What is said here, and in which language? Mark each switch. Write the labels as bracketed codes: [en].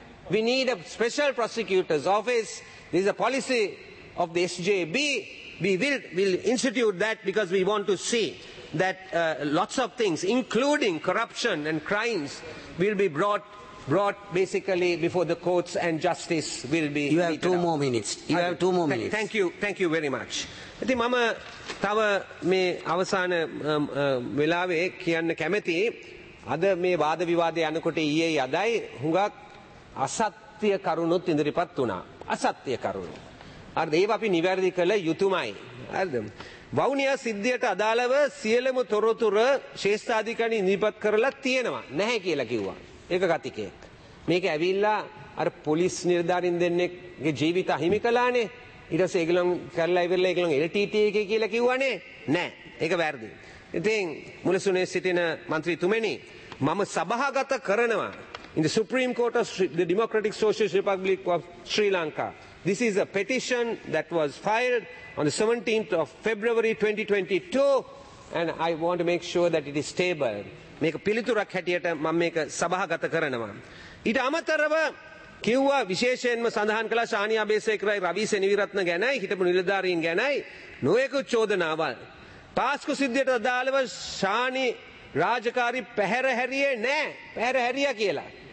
[en] We need a special prosecutor's office. This is a policy of the SJB. We will institute that because we want to see that lots of things, including corruption and crimes, will be brought basically before the courts, and justice will be You have two out. More minutes. You I have two more minutes. Thank you. Thank you very much. [si] ඉතින් මම තව මේ අවසාන වෙලාවේ කියන්න කැමති අද මේ වාද විවාද යනකොට ඊයේ යදයි හුඟක් අසත්‍ය කරුණුත් ඉදිරිපත් වුණා. අසත්‍ය කරුණු. හරිද? ඒව අපි නිවැරදි කළ යුතුමයි. හරිද? වවුනියා සිද්ධියට අදාළව සියලුම තොරතුරු ශ්‍රේෂ්ඨාධිකාරී ඉදිරිපත් කරලා තියෙනවා. නැහැ කියලා කිව්වා. ඒක කතිකයක්. මේක ඇවිල්ලා අර පොලිස් නිලධාරින් දෙන්නෙක්ගේ ජීවිත අහිමි කළානේ. ඊට පස්සේ ඒගොල්ලෝ කරලා ඉවරලා ඒගොල්ලෝ LTTE එකේ කියලා කිව්වනේ. නැහැ. ඒක වැරදි. ඉතින් මුලසුනේ සිටින මන්ත්‍රීතුමනි මම සභාගත කරනවා [en] in the Supreme Court of the Democratic Socialist Republic of Sri Lanka. This is a petition that was filed on the 17th of February 2022, and I want to make sure that it is tabled. [si] මේක පිළිතුරක් හැටියට මම මේක සභාගත කරනවා. ඊට අමතරව කිව්වා විශේෂයෙන්ම සඳහන් කළා ශානියා බේසේකරයි රවි සෙනවිරත්න ගැනයි හිටපු නිලධාරීන් ගැනයි නොයෙකුත් චෝදනාවල්. පාස්කු සිද්ධියට අදාළව ශානි රාජකාරි පැහැර හැරියේ නැහැ. පැහැර හැරියා කියලා.